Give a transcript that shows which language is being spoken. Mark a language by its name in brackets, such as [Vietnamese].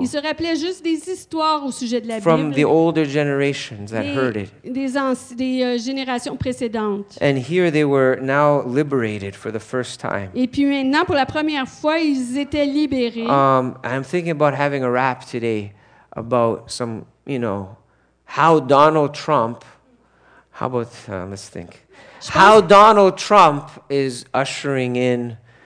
[French] Ils se rappelaient juste des histoires au sujet de la Bible. [English] From the older generations that heard it. [French] Des générations précédentes. [English] And here they were now liberated for the first time. [French] Et puis maintenant pour la première fois ils étaient libérés. [English] I'm thinking about having a rap today about some, you know, how Donald Trump, how about, let's think, how Donald Trump is ushering in